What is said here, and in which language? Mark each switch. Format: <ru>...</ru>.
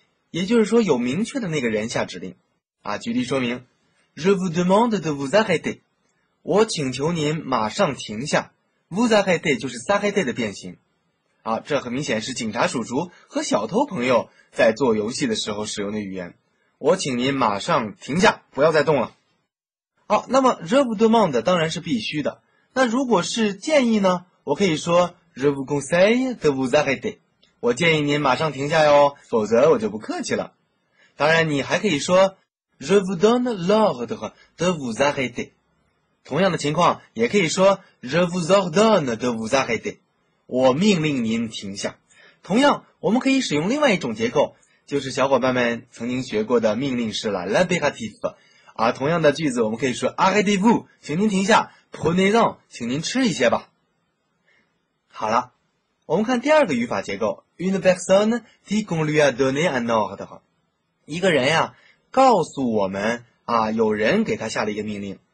<zh>也就是说，有明确的那个人下指令，啊，举例说明 ，</zh> <fr>Je vous demande de vous arrêter，</fr> <zh>我请求您马上停下 ，</zh> <fr>vous arrêter</fr> <zh>就是 s'arrêter 的变形，啊，这很明显是警察叔叔和小偷朋友在做游戏的时候使用的语言，我请您马上停下，不要再动了。好，那么</zh> <fr>Je vous demande</fr> <zh>当然是必须的，那如果是建议呢，我可以说</zh> <fr>Je vous conseille de vous arrêter。</fr> <zh>我建议您马上停下哟，否则我就不客气了。当然，你还可以说</zh> <fr>Je vous donne l'ordre de vous arrêter。</fr> <zh>同样的情况，也可以说</zh> <fr>Je vous ordonne de vous arrêter。</fr> <zh>我命令您停下。同样，我们可以使用另外一种结构，就是小伙伴们曾经学过的命令式了 l'impératif。啊，同样的句子，我们可以说</zh> <fr>Arrêtez-vous，</fr> <zh>请您停下 ；</zh> <fr>Prenez en，</fr> <zh>请您吃一些吧。好了。我们看第二个语法结构 ，</zh> <fr>une personne dit qu'on lui a donné un ordre，</fr> <zh>一个人呀，告诉我们啊，有人给他下了一个命令。</zh>